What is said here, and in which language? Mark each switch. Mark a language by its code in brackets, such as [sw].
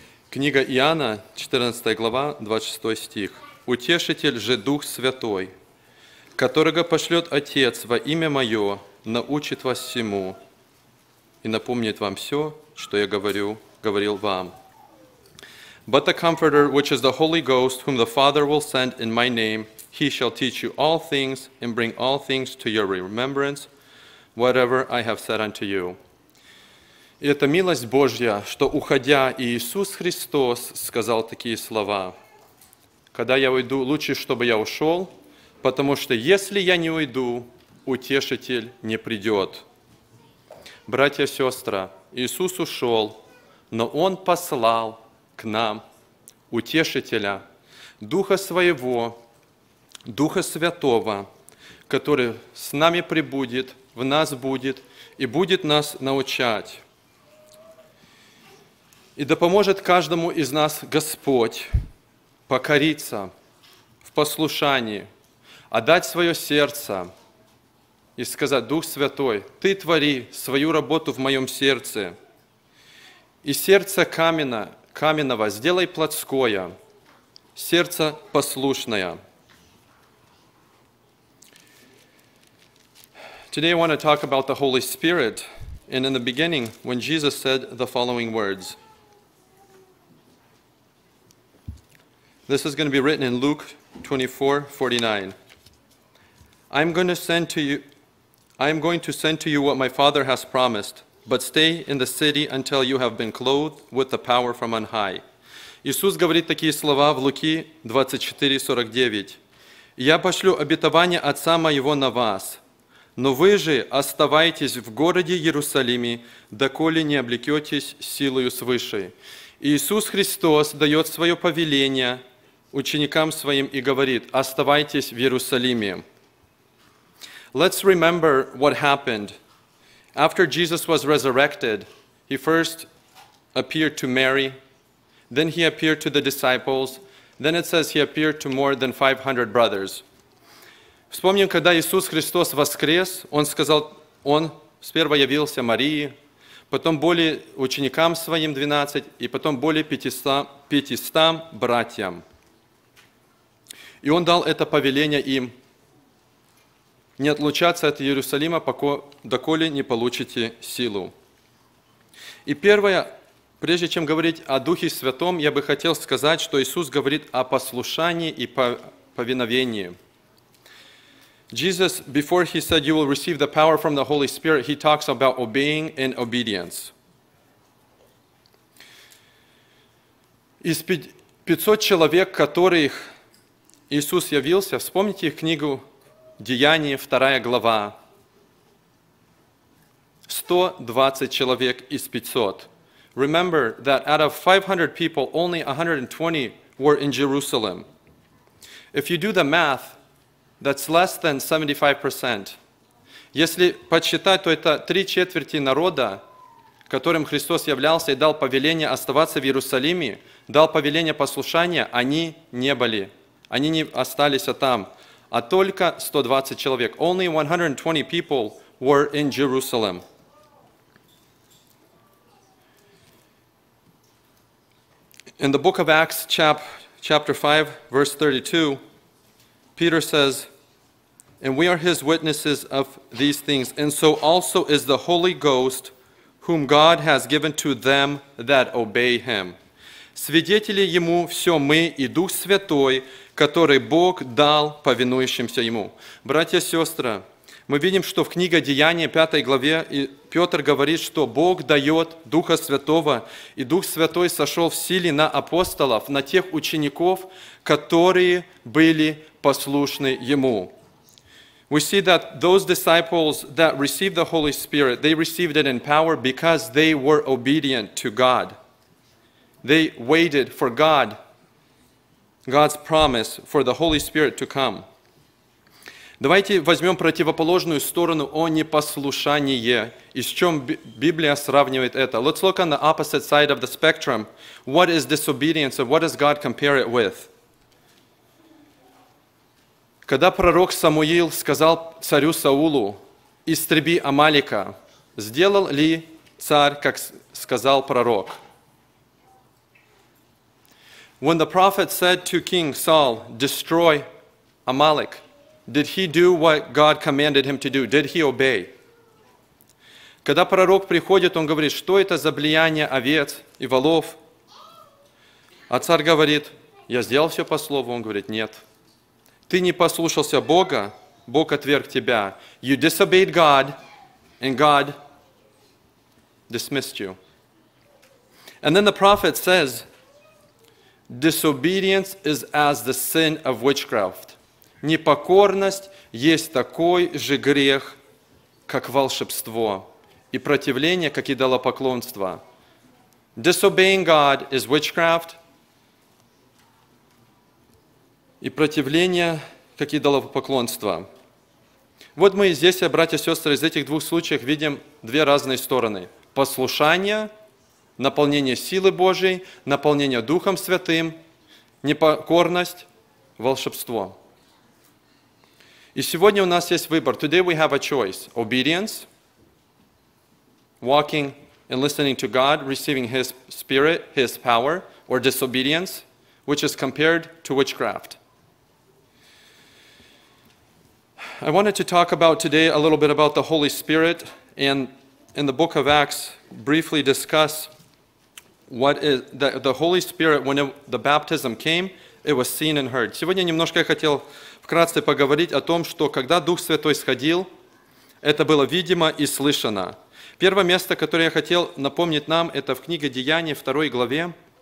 [ru] Книга Иоанна, 14 глава, 26 стих. «Утешитель же Дух Святой, которого пошлет Отец во имя Мое, научит вас всему и напомнит вам все, что я говорил вам». [en] But the Comforter, which is the Holy Ghost, whom the Father will send in my name, he shall teach you all things and bring all things to your remembrance, whatever I have said unto you. [ru] И это милость Божья, что, уходя, Иисус Христос сказал такие слова. Когда я уйду, лучше, чтобы я ушел, потому что если я не уйду, утешитель не придет. Братья и сестры, Иисус ушел, но Он послал к нам Утешителя, Духа Своего, Духа Святого, который с нами пребудет, в нас будет и будет нас научать. И да поможет каждому из нас Господь покориться в послушании, отдать свое сердце и сказать: «Дух Святой, Ты твори свою работу в моем сердце, и сердце каменного сделай плотское, сердце послушное». [en] Today I want to talk about the Holy Spirit, and in the beginning, when Jesus said the following words. This is going to be written in Luke 24:49. I'm going to send to you what my Father has promised. But stay in the city until you have been clothed with the power from on high. [ru] Иисус говорит такие слова в Луки 24:49. Я пошлю обетование Отца Моего на вас, но вы же оставайтесь в городе Иерусалиме, доколе не облекетесь силою свыше. Иисус Христос дает свое повеление ученикам своим и говорит: оставайтесь в Иерусалиме. [en] Let's remember what happened. After Jesus was resurrected, he first appeared to Mary, then he appeared to the disciples, then it says he appeared to more than 500 brothers. [ru] Вспомним, когда Иисус Христос воскрес, он сперва явился Марии, потом более ученикам своим 12, и потом более 500 братьям. И он дал это повеление им: не отлучаться от Иерусалима, доколе не получите силу. И первое, прежде чем говорить о Духе Святом, я бы хотел сказать, что Иисус говорит о послушании и повиновении. [en] Jesus, before he said you will receive the power from the Holy Spirit, he talks about obeying and obedience. [ru] Из 500 человек, которых Иисус явился, вспомните книгу Деяния, 2 глава, 120 человек из 500. [en] Remember that out of 500 people, only 120 were in Jerusalem. If you do the math, that's less than 75%. [ru] Если подсчитать, то это 3/4 народа, которым Христос являлся и дал повеление оставаться в Иерусалиме, дал повеление послушания, они не остались там. А только 120 человек. [en] Only 120 people were in Jerusalem. In the book of Acts, chapter 5, verse 32, Peter says, "And we are his witnesses of these things, and so also is the Holy Ghost, whom God has given to them that obey him." [ru] Свидетели ему все мы и Дух Святой, который Бог дал повинующимся Ему. Братья и сестры, мы видим, что в книге Деяния, 5 главе, Петр говорит, что Бог дает Духа Святого, и Дух Святой сошел в силе на апостолов, на тех учеников, которые были послушны Ему. [en] We see that those disciples that received the Holy Spirit, they received it in power because they were obedient to God. They waited for God's promise for the Holy Spirit to come. [ru] Давайте возьмем противоположную сторону о непослушании. И с чем Библия сравнивает это? [en] Let's look on the opposite side of the spectrum. What is disobedience, and what does God compare it with? [ru] Когда пророк Самуил сказал царю Саулу, истреби Амалека, сделал ли царь, как сказал пророк? [en] When the prophet said to King Saul, destroy Amalek, did he do what God commanded him to do? Did he obey? [ru] Когда пророк приходит, он говорит, что это за влияние овец и волов? А царь говорит, я сделал все по слову. Он говорит, нет. Ты не послушался Бога, Бог отверг тебя. [en] You disobeyed God, and God dismissed you. And then the prophet says, disobedience is as the sin of witchcraft. [ru] Непокорность есть такой же грех, как волшебство, и противление, как идолопоклонство. [en] Disobeying God is witchcraft, [ru] и противление, как идолопоклонство. Вот мы и здесь, братья и сестры, из этих двух случаев видим две разные стороны. Послушание, наполнение силы Божьей, наполнение Духом Святым, непокорность, волшебство. И сегодня у нас есть выбор. [en] Today we have a choice. Obedience, walking and listening to God, receiving His Spirit, His power, or disobedience, which is compared to witchcraft. I wanted to talk about today a little bit about the Holy Spirit and in the book of Acts briefly discuss what is the Holy Spirit when the baptism came, it was seen and heard. [ru] Сегодня немножко я хотел вкратце поговорить о том, что когда Дух Святой сходил, это было видимо и слышано. Первое место, которое я хотел напомнить нам, это в книге Деяний, 2 главе.